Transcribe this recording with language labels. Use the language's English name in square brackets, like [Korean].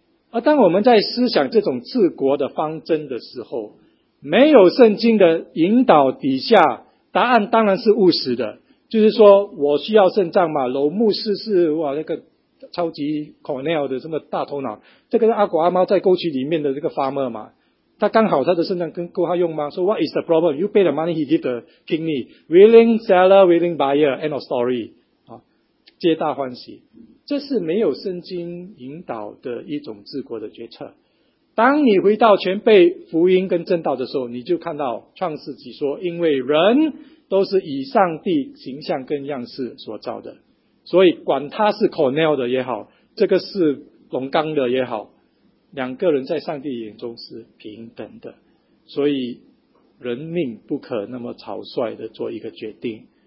[Chinese] 而当我们在思想这种治国的方针的时候，没有圣经的引导底下，答案当然是务实的，就是说我需要肾脏嘛，楼牧师是哇那个超级 Cornell 的什么大头脑，这个是阿狗阿猫在沟渠里面的这个 farmer 嘛，他刚好他的肾脏跟够他用吗？说、 [English] so、What is the problem? You pay the money, he give the kidney. Willing seller, willing buyer, end of story. [Chinese] 啊，皆大欢喜。这是没有圣经引导的一种治国的决策。当你回到全备福音跟正道的时候，你就看到创世纪说，因为人都是以上帝形象跟样式所造的，所以管他是 Cornell 的也好，这个是龙冈的也好，两个人在上帝眼中是平等的，所以人命不可那么草率的做一个决定。